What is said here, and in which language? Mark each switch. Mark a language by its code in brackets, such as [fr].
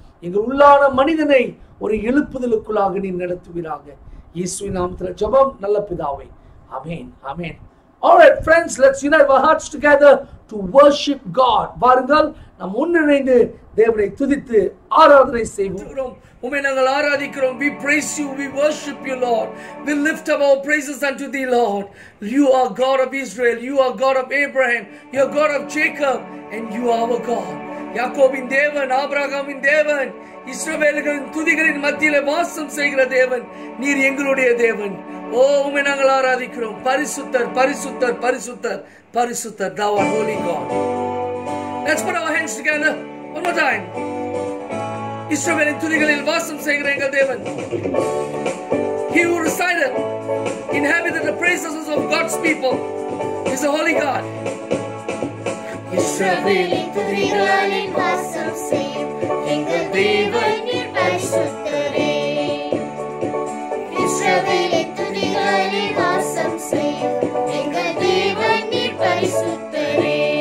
[ta] எங்கள் உள்ளான மனிதனை ஒரு எழுப்புதலுக்குள்ளாக நீ நடத்துவீராக. இயேசுவின் நாமத்தில் ஜெபம், நல்ல பிதாவே. ஆமென், ஆமென். [en] All right, friends, let's unite our hearts together to worship God. [ta] வாருங்கள், நாம் ஒன்றிணைந்து தேவனை துதித்து ஆராதனை செய்வோம். உம்மை நாங்கள் ஆராதிக்கிறோம். [en] We praise you, we worship you, Lord. We lift up our praises unto thee, Lord. You are God of Israel, you are God of Abraham, you are God of Jacob, and you are our God. [ta] யாக்கோபின் தேவன், ஆபிரகாமின் தேவன், இஸ்ரவேலர்களின் துதிகளின் மத்தியிலே வாசம் செய்கிற தேவன், நீர் எங்களுடைய தேவன். ஓ, உம்மை நாங்கள் ஆராதிக்கிறோம். பரிசுத்தர், பரிசுத்தர், பரிசுத்தர், பரிசுத்தர். [en] Thou art holy God. Let's put our hands together one more time. [ta] இஸ்ரவேலின் துதிகளில் வாசம் செய்கிற எங்கள் தேவன். [en] He who resided, inhabited the praises of God's people, is a holy God. [ta] இஸ்ரவேலின் துதிகளில் வாசம் செய்கிற எங்கள் தேவன், நீர் பரிசுத்தரே. இஸ்ரவேலின் துதிகளில் வாசம் செய்கிற எங்கள் தேவன், நீர் பரிசுத்தரே.